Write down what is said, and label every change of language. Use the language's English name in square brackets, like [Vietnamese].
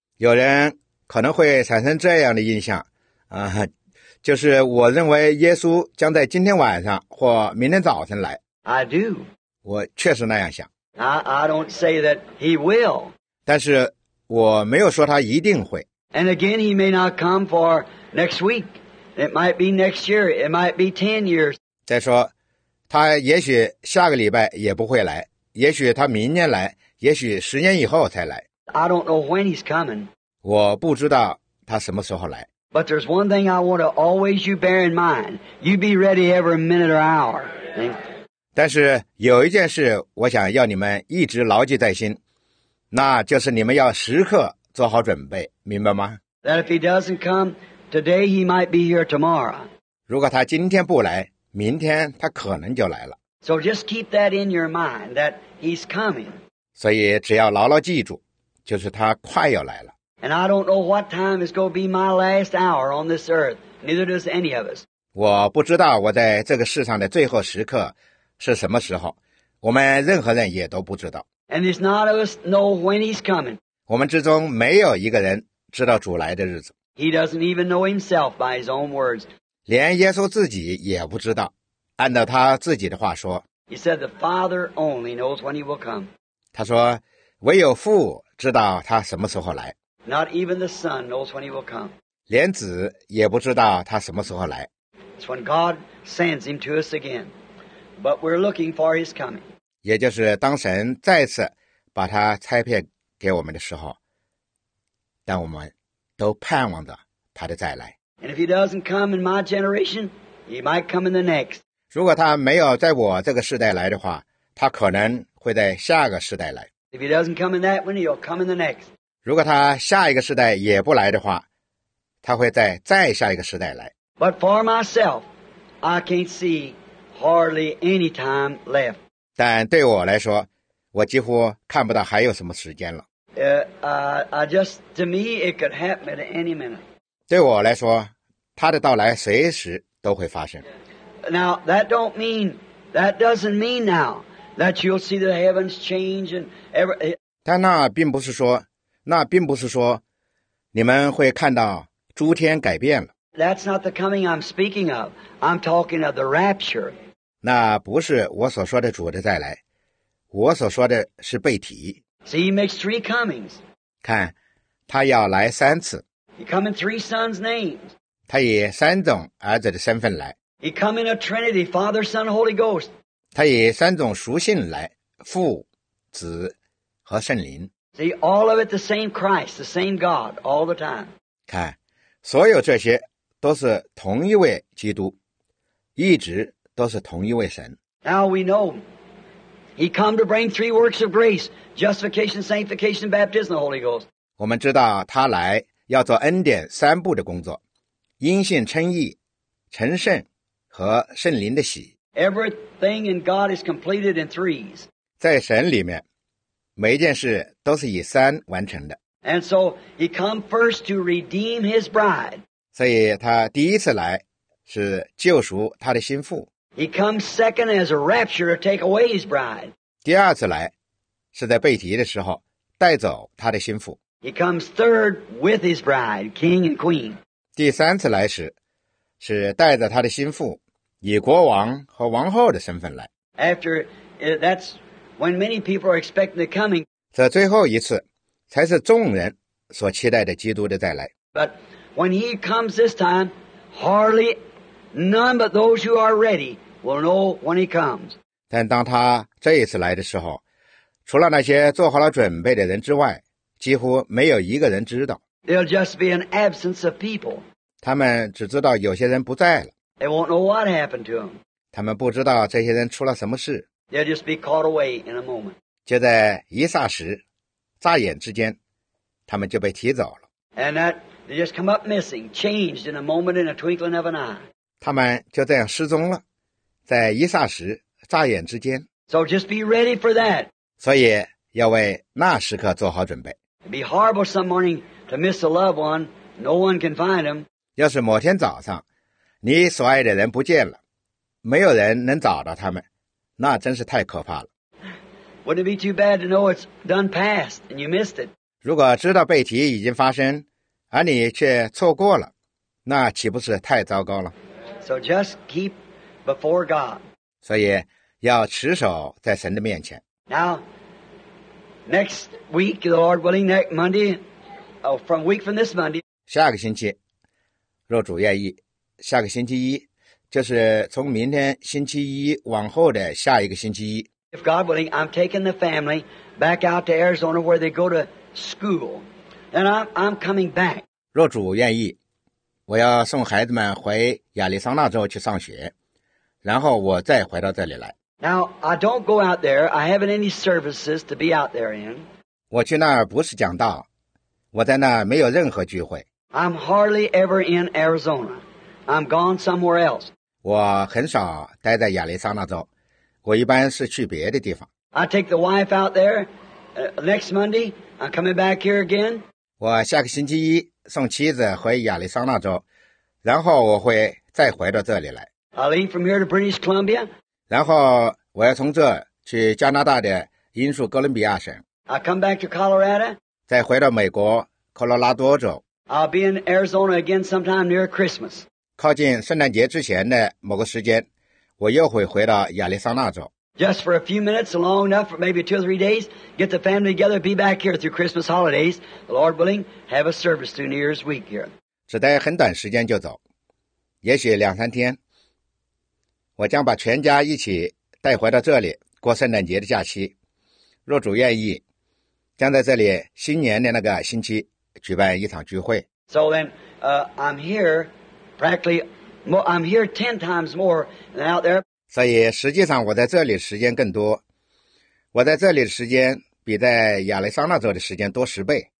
[Chinese] 有人可能会产生这样的印象，就是我认为耶稣将在今天晚上或明天早晨来。 [English] I do. [Chinese] 我确实那样想。 [English] I don't say that he will. [Chinese] 但是我没有说他一定会。 [English] And again, he may not come for next week. It might be next year. It might be 10 years. [Chinese] 再说，他也许下个礼拜也不会来，也许他明年来，也许10年以后才来。 [English] I don't know when he's coming. [Chinese] 我不知道他什么时候来。 [English] But there's one thing I want to always you bear in mind. You be ready every minute or hour. [Chinese] 但是有一件事我想要你们一直牢记在心，那就是你们要时刻做好准备，明白吗？ [English] That if he doesn't come today, he might be here tomorrow. [Chinese] 如果他今天不来，明天他可能就来了。 [English] So just keep that in your mind that he's coming. [Chinese] 所以只要牢牢记住，就是他快要来了。 [English] And I don't know what time is going to be my last hour on this earth. Neither does any of us. [Chinese] 我不知道我在这个世上的最后时刻是什么时候，我们任何人也都不知道。 [English] And it's not of us know when he's coming. [Chinese] 我们之中没有一个人知道主来的日子。 [English] He doesn't even know himself by his own words. [Chinese] 连耶稣自己也不知道，按照他自己的话说。 [English] He said the Father only knows when he will come. [Chinese] 他说，唯有父知道他什么时候来。 [English] Not even the Son knows when he will come. [Chinese] 连子也不知道他什么时候来。 [English] It's when God sends him to us again. But we're looking for his coming. [Chinese] 也就是当神再次把他差派给我们的时候，但我们都盼望着他的再来。 [English] And if he doesn't come in my generation, he might come in the next. [Chinese] 如果他没有在我这个世代来的话，他可能会在下个世代来。 [English] If he doesn't come in that one, he'll come in the next. [Chinese] 如果他下一个时代也不来的话，他会在再下一个时代来。 [English] But for myself, I can't see hardly any time left. [Chinese] 但对我来说，我几乎看不到还有什么时间了。 [English] To me, it could happen at any minute. [Chinese] 对我来说，他的到来随时都会发生。 [English] Now, that doesn't mean now that you'll see the heavens change and ever. [Chinese] 但那并不是说。那并不是说你们会看到诸天改变了。 [English] That's not the coming I'm speaking of. I'm talking of the rapture. [Chinese] 那不是我所说的主的再来，我所说的是被提。 [English] See, he makes three comings. [Chinese] 看，他要来三次。 [English] He come in three sons' names. [Chinese] 他以三种儿子的身份来。 [English] He come in a trinity, Father, Son, Holy Ghost. [Chinese] 他以三种属性来，父、子和圣灵。 [English] See, all of it the same Christ, the same God, all the time. [Chinese] 看，所有这些都是同一位基督，一直都是同一位神。 [English] Now we know, he come to bring three works of grace, justification, sanctification, baptism, the Holy Ghost. [Chinese] 我们知道他来要做恩典三步的工作，因信称义、成圣和圣灵的洗。 [English] Everything in God is completed in threes. [Chinese] 在神里面每一件事都是以三完成的。 [English] And so he come first to redeem his bride. [Chinese] 所以他第一次来是救赎他的心腹。 [English] He comes second as a rapture to take away his bride. [Chinese] 第二次来是在被提的时候带走他的心腹。 [English] He comes third with his bride, king and queen. [Chinese] 第三次来时是带着他的心腹以国王和王后的身份来。 [English] After that'swhen many people are expecting the coming. [Chinese] 这最后一次才是众人所期待的基督的再来。 [English] But when he comes this time, hardly none but those who are ready will know when he comes. [Chinese] 但当他这一次来的时候，除了那些做好了准备的人之外，几乎没有一个人知道。 [English] There'll just be an absence of people. [Chinese] 他们只知道有些人不在了。 [English] They won't know what happened to them. [Chinese] 他们不知道这些人出了什么事。 [English] They'll just be caught away in a moment. [Chinese] 就在一霎时，眨眼之间，他们就被提走了。 [English] And that they just come up missing, changed in a moment, in a twinkling of an eye. [Chinese] 他们就这样失踪了，在一霎时，眨眼之间。 [English] So just be ready for that. [Chinese] 所以要为那时刻做好准备。 [English] It'd be horrible some morning to miss a loved one, no one can find him. [Chinese] 要是某天早上你所爱的人不见了，没有人能找到他们，那真是太可怕了。 [English] Wouldn't it be too bad to know it's done past and you missed it? [Chinese] 如果知道背题已经发生而你却错过了，那岂不是太糟糕了？ [English] So just keep before God. [Chinese] 所以要持守在神的面前。 [English] Now, next week, the Lord willing, next Monday, from week from this Monday. [Chinese] 下个星期，若主愿意，下个星期一，就是从明天星期一往后的下一个星期一。 [English] If God willing, I'm taking the family back out to Arizona where they go to school. And I'm coming back. [Chinese] 若主愿意，我要送孩子们回亚利桑那州去上学，然后我再回到这里来。 [English] Now, I don't go out there. I haven't any services to be out there in. [Chinese] 我去那儿不是讲道，我在那儿没有任何聚会。 [English] I'm hardly ever in Arizona. I'm gone somewhere else. [Chinese] 我很少待在亚利桑那州，我一般是去别的地方。 [English] I take the wife out there next Monday. I'm coming back here again. [Chinese] 我下个星期一送妻子回亚利桑那州，然后我会再回到这里来。 [English] I'll leave from here to British Columbia. [Chinese] 然后我要从这去加拿大的英属哥伦比亚省。 [English] I'll come back to Colorado. [Chinese] 再回到美国科罗拉多州。 [English] I'll be in Arizona again sometime near Christmas. [Chinese] 靠近圣诞节之前的某个时间，我又会回到亚利桑那州。 [English] Just for a few minutes, long enough for maybe two or three days, get the family together, be back here through Christmas holidays. The Lord willing, have a service through New Year's week here. [Chinese] 只待很短时间就走，也许两三天，我将把全家一起带回到这里过圣诞节的假期。若主愿意，将在这里新年的那个星期举办一场聚会。 [English] So then, I'm here practically, I'm here 10 times more than out there. [Chinese] 所以实际上我在这里时间更多，我在这里的时间比在亚利桑那州的时间多10倍。